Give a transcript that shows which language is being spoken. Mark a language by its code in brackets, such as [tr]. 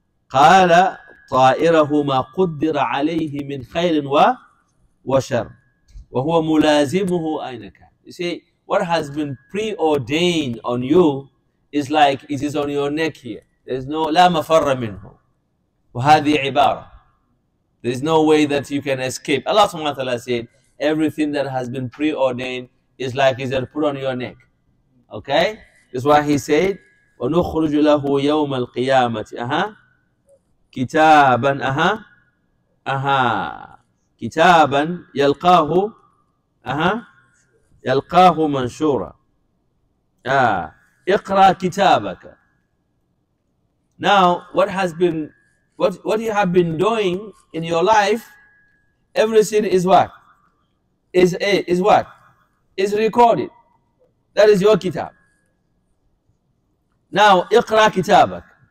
[ar] قال طائره ما قدر عليه من خير و وشر وهو ملازمه أين كان. [en] You see, what has been preordained on you is like it is on your neck here. There is no [ar] لا مفر منه. وهذه عبارة. [en] There is no way that you can escape. Allah subhanahu wa ta'ala said, everything that has been preordained is like it is put on your neck. Okay? That's why he said, [ar] ونخرج له يوم القيامة كتابا كتابا يلقاه يلقاه منشورا. اقرا كتابك. [en] Now what has been what you have been doing in your life, everything is what is what is recorded. That is your kitab. Now [ar] اقرا كتابك.